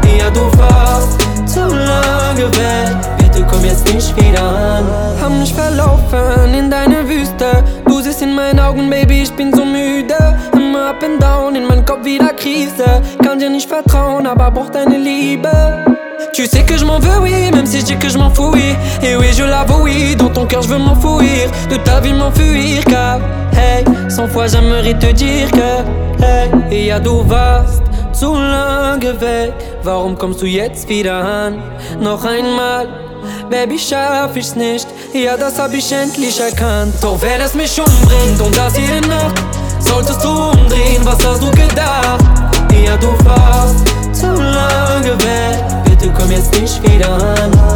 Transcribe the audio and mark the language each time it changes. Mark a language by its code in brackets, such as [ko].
[de] Ja, du warst zu lange weg. Bitte komm jetzt nicht wieder an. Hab mich verlaufen in deine Wüste. Du siehst in meinen Augen, Baby, ich bin so müde. Immer [en] up and down, [de] in meinem Kopf wieder Krise. Kann dir nicht vertrauen, aber brauch deine Liebe. [fr] Tu sais que je m'en veux, oui, même si je dis que je m'en fous, oui. Et oui, je l'avoue, oui, dans ton cœur je veux m'enfouir. De ta vie m'enfuir, car, hey, 100 fois j'aimerais te dire que, hey. [de] Ja, du warst zu lange weg. Warum kommst du jetzt wieder an? Noch einmal, Baby, schaff ich's nicht. Ja, das hab ich endlich erkannt. Doch wenn es mich umbringt und das jede Nacht, solltest du umdrehen, was hast du gedacht? Ja, du warst zu lange weg. Du komm jetzt nicht wieder an.